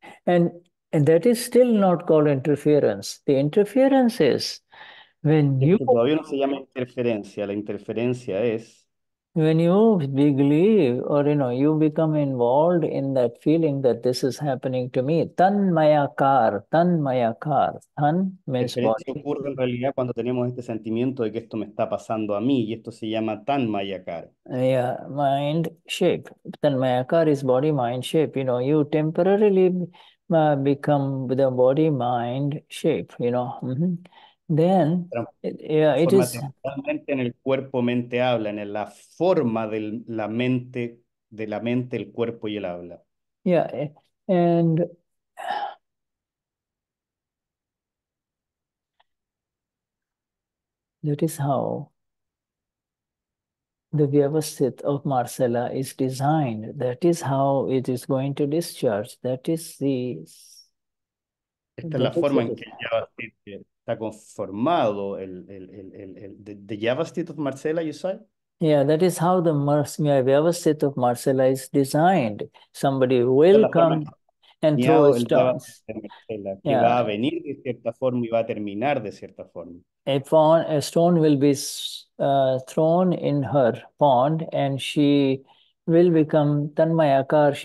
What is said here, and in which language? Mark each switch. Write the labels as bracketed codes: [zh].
[en] And that is still not called interference. The interference is when you... [es] Todavía no se llama interferencia. La interferencia es... [en] When you believe or, you know, you become involved in that feeling that this is happening to me. Tan mayakar. Tan means body. La [es] interferencia ocurre en realidad cuando tenemos este sentimiento de que esto me está pasando a mí y esto se llama tan mayakar. [en] Yeah, mind shape. Tan mayakar is body mind shape. You know, you temporarily... become the body mind shape, you know. Then it is [es] en el cuerpo mente habla, en la forma de la mente, el cuerpo y el habla. [en] Yeah, and that is how the vyavasthit of Marcella is designed. That is how it is going to discharge. That is the... [es] Esta es la forma en que el vyavasthit está conformado. [en] The vyavasthit of Marcella, you said? Yeah, that is how the vyavasthit of Marcella is designed. Somebody will come and throw stones. [es] Yeah. Va a venir de cierta forma y va a terminar de cierta forma. [en] A stone will be thrown in her pond and she will become tanmayakar.